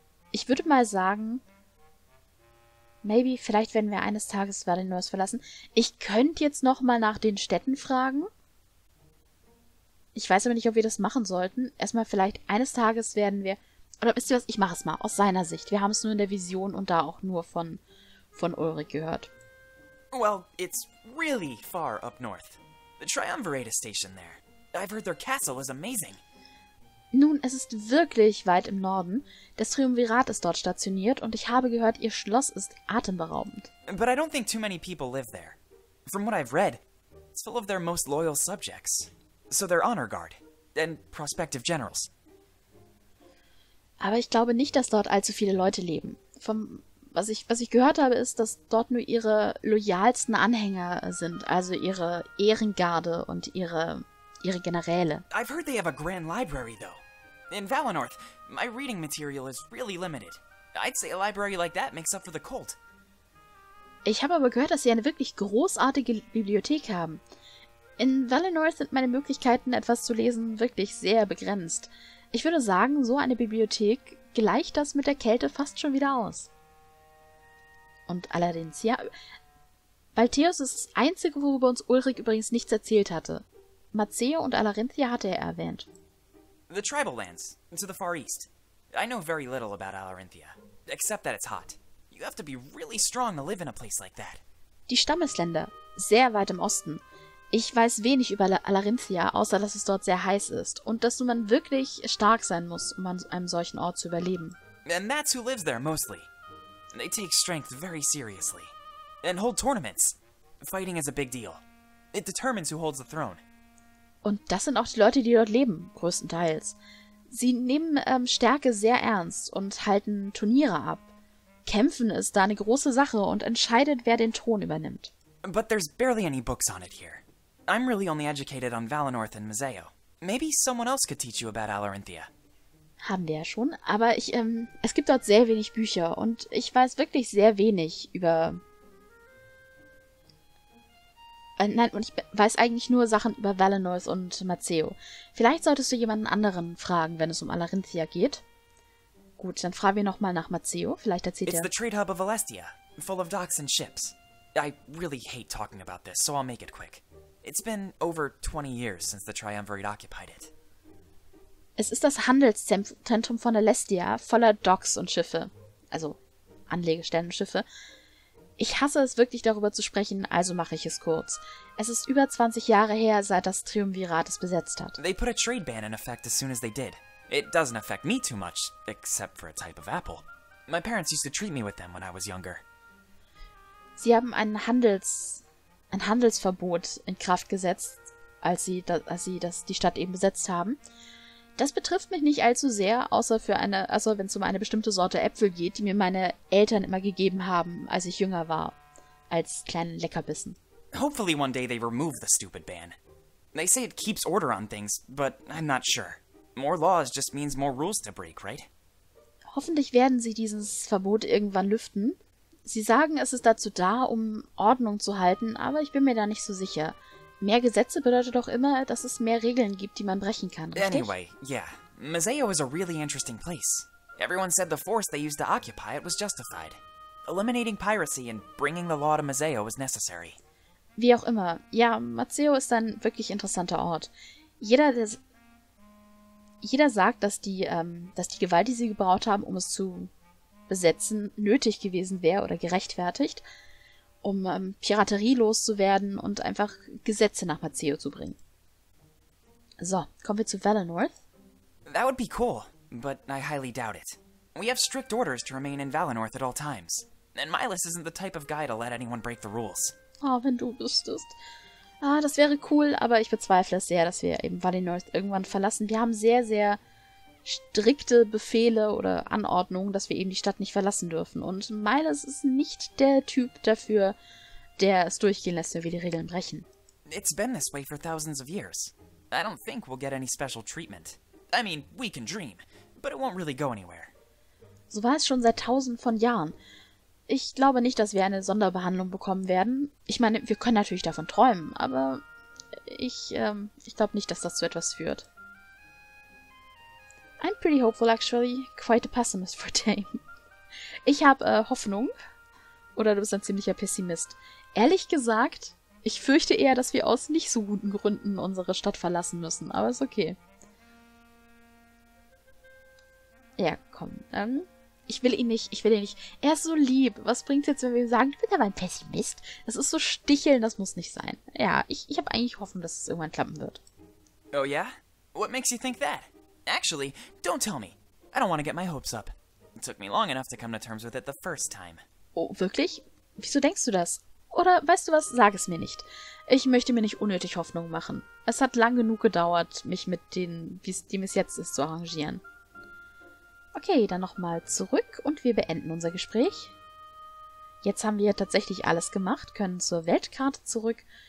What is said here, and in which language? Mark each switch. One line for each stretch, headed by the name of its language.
German: Ich würde mal sagen, vielleicht werden wir eines Tages Valinor verlassen. Ich könnte jetzt nochmal nach den Städten fragen. Ich weiß aber nicht, ob wir das machen sollten. Erstmal vielleicht eines Tages werden wir... Oder wisst ihr was? Ich mache es mal, aus seiner Sicht. Wir haben es nur in der Vision und da auch nur von Ulrich gehört.
English: Well, it's really far up north. The Triumvirate Station there. I've heard their castle is amazing.
German: Nun, es ist wirklich weit im Norden. Das Triumvirat ist dort stationiert und ich habe gehört, ihr Schloss ist atemberaubend.
English: But I don't think too many people live there. From what I've read, it's full of their most loyal subjects. So their honor guard and prospective generals.
German: Aber ich glaube nicht, dass dort allzu viele Leute leben. Vom was ich gehört habe, ist, dass dort nur ihre loyalsten Anhänger sind, also ihre Ehrengarde und ihre Generäle.
English: I've heard they have a grand library though. In Valinorth, my reading material is really limited. I'd say a library like that makes up for the cult.
German: Ich habe aber gehört, dass sie eine wirklich großartige Bibliothek haben. In Valinorth sind meine Möglichkeiten, etwas zu lesen, wirklich sehr begrenzt. Ich würde sagen, so eine Bibliothek gleicht das mit der Kälte fast schon wieder aus. Und allerdings, ja, Baltheus ist das Einzige, worüber uns Ulrich übrigens nichts erzählt hatte. Marzeo und Alarinthia hatte er erwähnt.
English: The tribal lands, to the far east. I know very little about Alarinthia, except that it's hot. You have to be really strong to live in a place like that.
German: Die Stammesländer, sehr weit im Osten. Ich weiß wenig über Alarinthia, außer dass es dort sehr heiß ist und dass man wirklich stark sein muss, um an einem solchen Ort zu überleben.
English: And that's who lives there mostly. They take strength very seriously and hold tournaments. Fighting is a big deal. It determines who holds the throne.
German: Und das sind auch die Leute, die dort leben, größtenteils. Sie nehmen Stärke sehr ernst und halten Turniere ab. Kämpfen ist da eine große Sache und entscheidet, wer den Thron übernimmt.
English: But there's barely any books on it here. I'm really only educated on Valinorth and Mazeo. Maybe someone else could teach you about Alarinthia.
German: Haben wir ja schon, aber ich, es gibt dort sehr wenig Bücher und ich weiß wirklich sehr wenig über... nein, und ich weiß eigentlich nur Sachen über Valinorth und Mazeo. Vielleicht solltest du jemanden anderen fragen, wenn es um Alarinthia geht. Gut, dann fragen wir nochmal nach Mazeo. Vielleicht erzählt
English: er... It's the trade hub of Alestia, full of docks and ships. I really hate talking about this, so I'll make it quick. It's been over 20 years since the Triumvirate occupied it.
German: Es ist das Handelszentrum von Alestia, voller Docks und Schiffe. Also Anlegestellen und Schiffe. Ich hasse es wirklich, darüber zu sprechen, also mache ich es kurz. Es ist über 20 Jahre her, seit das Triumvirat es besetzt hat.
English: They put a trade ban in effect as soon as they did. It doesn't affect me too much, except for a type of apple. My parents used to treat me with them when I was younger.
German: Sie haben ein Handelsverbot in Kraft gesetzt, als sie die Stadt eben besetzt haben. Das betrifft mich nicht allzu sehr, außer wenn es um eine bestimmte Sorte Äpfel geht, die mir meine Eltern immer gegeben haben, als ich jünger war, als kleinen Leckerbissen.
English: Hopefully one day they remove the stupid ban. They say it keeps order on things, but I'm not sure. More laws just means more rules to break, right?
German: Hoffentlich werden sie dieses Verbot irgendwann lüften. Sie sagen, es ist dazu da, um Ordnung zu halten, aber ich bin mir da nicht so sicher. Mehr Gesetze bedeutet doch immer, dass es mehr Regeln gibt, die man brechen kann, richtig?
English: Anyway, yeah. Mazeo is a really interesting place. Everyone said the force they used to occupy it was justified. Eliminating piracy and bringing the law to Mazeo was necessary.
German: Wie auch immer. Ja, Mazeo ist ein wirklich interessanter Ort. Jeder sagt, dass die Gewalt, die sie gebraucht haben, um es zu besetzen, nötig gewesen wäre oder gerechtfertigt, um Piraterie loszuwerden und einfach Gesetze nach Mazeo zu bringen. So, kommen wir zu Valinorth.
English: That would be cool, but I highly doubt it. We have strict orders to remain in Valinorth at all times. And Mylas isn't the type of guy to let anyone break the rules.
German: Oh, wenn du wüsstest. Ah, das wäre cool, aber ich bezweifle es sehr, dass wir eben Valinorth irgendwann verlassen. Wir haben sehr, sehr strikte Befehle oder Anordnungen, dass wir eben die Stadt nicht verlassen dürfen. Und Mylas ist nicht der Typ dafür, der es durchgehen lässt, wenn wir die Regeln brechen.
English: It's been this way for thousands of years. I don't think we'll get any special treatment. I mean, we can dream, but it won't really go anywhere.
German: So war es schon seit tausend von Jahren. Ich glaube nicht, dass wir eine Sonderbehandlung bekommen werden. Ich meine, wir können natürlich davon träumen, aber ich glaube nicht, dass das zu etwas führt.
English: I'm pretty hopeful, actually. Quite a pessimist for Tame.
German: Ich habe Hoffnung. Oder du bist ein ziemlicher Pessimist. Ehrlich gesagt, ich fürchte eher, dass wir aus nicht so guten Gründen unsere Stadt verlassen müssen. Aber ist okay. Ja, komm. Ich will ihn nicht. Er ist so lieb. Was bringt es jetzt, wenn wir ihm sagen, ich bin aber ein Pessimist? Das ist so sticheln, das muss nicht sein. Ja, ich habe eigentlich Hoffnung, dass es irgendwann klappen wird.
English: Oh yeah? What makes you think that? Actually, don't tell me. I don't want to get my hopes up. It took me long enough to come to terms with it the first time.
German: Oh, wirklich? Wieso denkst du das? Oder weißt du was, sag es mir nicht. Ich möchte mir nicht unnötig Hoffnung machen. Es hat lang genug gedauert, mich mit denen, wie es dem es jetzt ist, zu arrangieren. Okay, dann nochmal zurück und wir beenden unser Gespräch. Jetzt haben wir tatsächlich alles gemacht, können zur Weltkarte zurück.